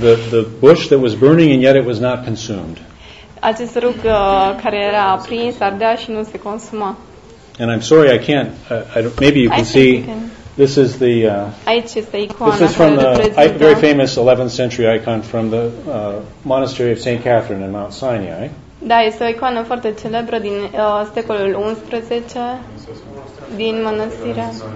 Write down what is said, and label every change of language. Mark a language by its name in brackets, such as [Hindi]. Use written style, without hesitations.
[English] The bush that was burning and yet it was not consumed. [Romanian] Acest rug care era aprins, ardea și nu se consuma. [English] And I'm sorry, I can't. Maybe you can see. This is the. [Romanian] Aici este icoana. [English] This is from the very famous 11th century icon from the monastery of St. Catherine in Mount Sinai. [Romanian] Da, este o icoană foarte celebră din secolul 11 din mănăstirea.